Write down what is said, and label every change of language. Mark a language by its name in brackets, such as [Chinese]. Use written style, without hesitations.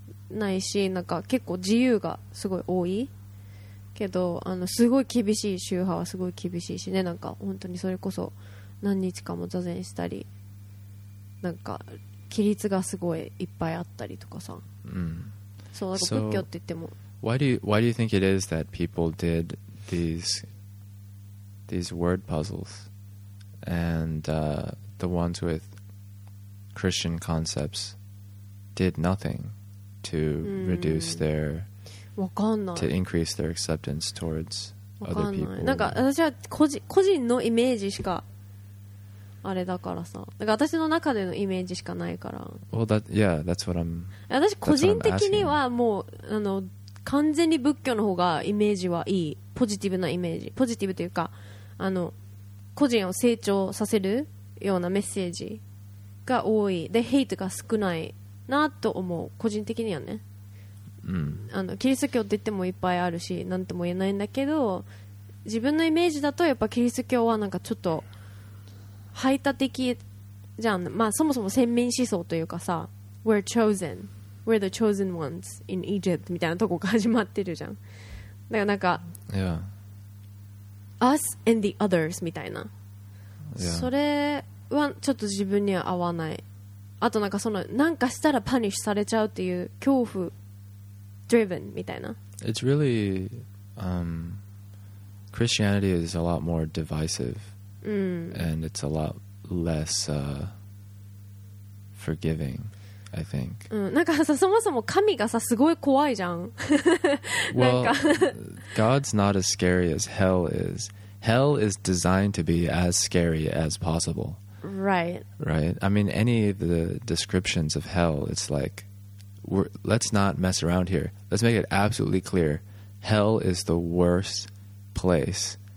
[Japanese] ないしなんか結構自由がすごい多いけどあのすごい厳しい宗派はすごい厳しいしねなんか本当にそれこそ何日かも座禅したりなんか規律がすごいいっぱいあったりとかさ、うん、そうなんか仏教って言っても、 [English] so, why do you think it is that people did these word puzzles and the ones with Christian concepts did nothing to reduce their [Japanese] わかんない [English] to increase their acceptance towards other people [Japanese] なんか私は個人のイメージしかあれだからさ、だから私の中でのイメージしかないから。 [English] Well, that, yeah, that's what I'm, [Japanese] 私個人的にはもうあの完全に仏教の方がイメージはいい、ポジティブなイメージ、ポジティブというかあの個人を成長させるようなメッセージが多いでヘイトが少ないなと思う個人的にはね。うん。あのキリスト教って言ってもいっぱいあるし、なんとも言えないんだけど、自分のイメージだとやっぱキリスト教はなんかちょっと排他的じゃん、まあ、そもそも先民思想というかさ [English] We're chosen We're the chosen ones in Egypt [Japanese] みたいなとこが始まってるじゃんだからなんか、 [English] yeah. Us and the others [Japanese] みたいな、 [English] yeah. [Japanese] それはちょっと自分には合わないあとなんかそのなんかしたらパニッシュされちゃうっていう恐怖 driven みたいな [English] It's really Christianity is a lot more divisiveand it's a lot less forgiving, I think. [Japanese] なんかさそもそも神がさすごい怖いじゃん。 [English] well, God's not as scary as hell is. Hell is designed to be as scary as possible. Right. Right. I mean, any of the descriptions of hell, it's like, let's not mess around here. Let's make it absolutely clear. Hell is the worst place.